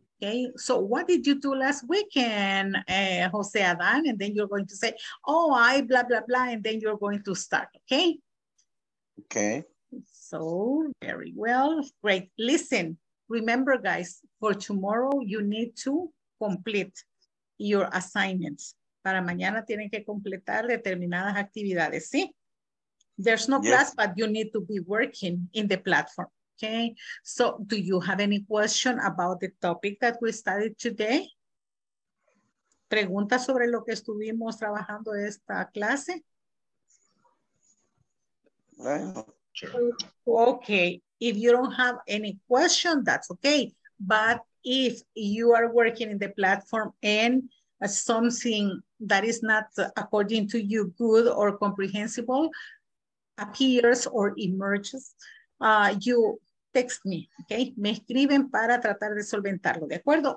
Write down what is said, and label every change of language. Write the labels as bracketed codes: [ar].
[en] Okay, so what did you do last weekend, Jose Adan? And then you're going to say, oh, I blah, blah, blah, and then you're going to start, okay? Okay. So, very well, great, listen. Remember, guys, for tomorrow, you need to complete your assignments. [es] Para mañana tienen que completar determinadas actividades, ¿sí? [en] There's no class, but you need to be working in the platform, okay? So do you have any question about the topic that we studied today? [es] ¿Preguntas sobre lo que estuvimos trabajando esta clase? [en] Okay. If you don't have any question, that's okay. But if you are working in the platform and something that is not according to you good or comprehensible appears or emerges, you text me, okay? [es] Me escriben para tratar de solventarlo, ¿de acuerdo?